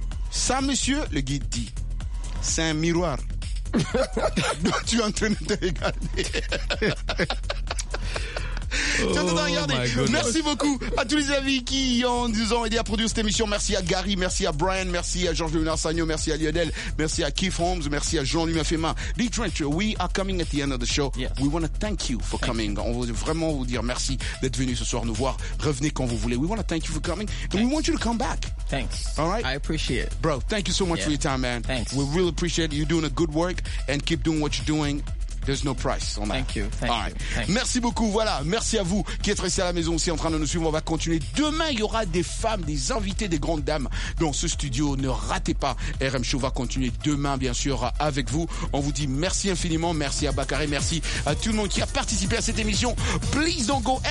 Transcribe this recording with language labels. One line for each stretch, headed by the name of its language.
French: Ça, monsieur, le guide dit, c'est un miroir. Donc, tu es en train de te regarder. Oh, merci beaucoup à tous les amis qui nous ont aidé à produire cette émission. Merci à Gary, merci à Brian, merci à Jean-Léonard Sagno, merci à Lionel, merci à Keith Holmes, merci à Jean-Louis Mafema.
English: Lee Trencher, we are coming at the end of the show. Yes. We want to thank you for coming.
French: On veut vraiment vous dire merci d'être venu ce soir nous voir. Revenez quand vous voulez.
English: We want to thank you for coming. And we want you to come back. Thanks. All right. I appreciate it. Bro, thank you so much for your time, man. Thanks. We really appreciate you doing a good work and keep doing what you're doing. There's no price on that. Thank you. Thank All right. you. Thank
French: merci beaucoup. Voilà. Merci à vous qui êtes restés à la maison aussi en train de nous suivre. On va continuer. Demain, il y aura des femmes, des invités, des grandes dames dans ce studio. Ne ratez pas. RM Show va continuer demain, bien sûr, avec vous. On vous dit merci infiniment. Merci à Bakary. Merci à tout le monde qui a participé à cette émission.
English: Please don't go.